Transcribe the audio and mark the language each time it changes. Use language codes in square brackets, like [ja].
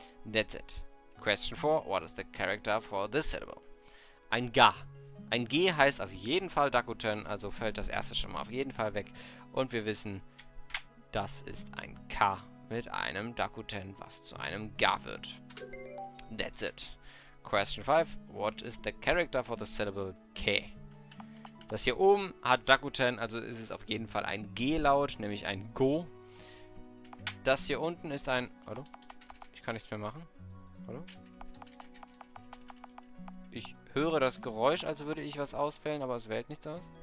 [en] That's it. Question 4. What is the character for this syllable? [de] Ein Ga. Ein G heißt auf jeden Fall Dakuten, also fällt das erste schon mal auf jeden Fall weg. Und wir wissen, das ist ein K mit einem Dakuten, was zu einem Ga wird. [en] That's it. Question 5. What is the character for the syllable K? [de] Das hier oben hat Dakuten, also ist es auf jeden Fall ein G-Laut, nämlich ein Go. Das hier unten ist ein... Hallo? Ich kann nichts mehr machen. Hallo? Ich höre das Geräusch, als würde ich was auswählen, aber es wählt nichts aus.